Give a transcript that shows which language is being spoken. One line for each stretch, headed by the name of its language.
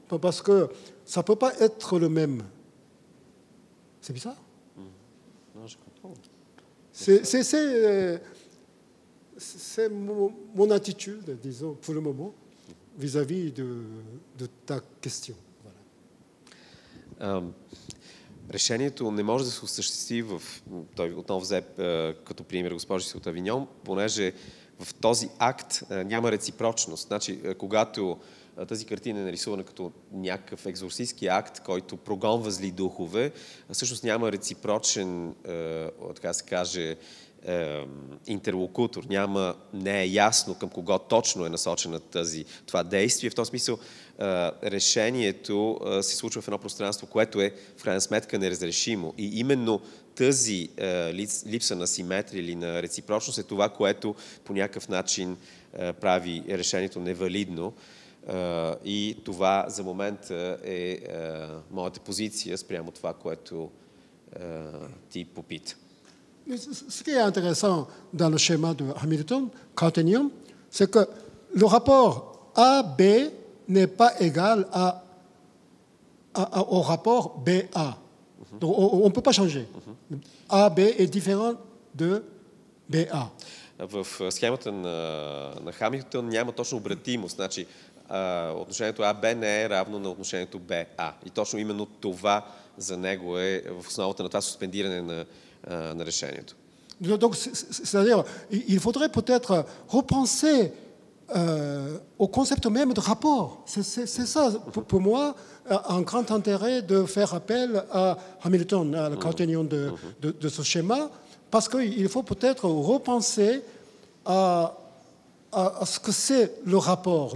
French: Parce que ça ne peut pas être le même. C'est bizarre. Non, je comprends. C'est mon attitude, disons, pour le moment, vis-à-vis de ta question.
Bulgarian: Решението не може да се осъществи в... Той отново взе като пример госпожи от Авиньон, понеже в този акт няма реципрочност. Значи, когато тази картина е нарисувана като някакъв екзорсистски акт, който прогонва зли духове. Всъщност няма реципрочен, така се каже, интерлокутор. Няма, не е ясно към кого точно е насочена тази, това действие. В този смисъл решението се случва в едно пространство, което е в крайна сметка неразрешимо. И именно тази липса на симетрия или на реципрочност е това, което по някакъв начин прави решението невалидно. И това за момента е моята позиция спрямо това, което ти попита.
French: Ce qui est intéressant dans le schéma de Hamilton, Cartesian, c'est que le rapport AB n'est pas égal au rapport BA. Mm-hmm. Donc on ne peut pas changer. Mm-hmm. AB est différent de BA.
Bulgarian: В схемата на Хамилтон няма точно обратимост. Значи, отношението AB не е равно на отношението BA. И точно именно това за него е в основата на това суспендиране на решението.
French: Donc, c'est-à-dire, il faudrait peut-être repenser au concept même de rapport. C'est ça, pour moi, un grand intérêt de faire appel à Hamilton, à la Cartesian de ce schéma, parce qu'il faut peut-être repenser à ce que c'est le rapport.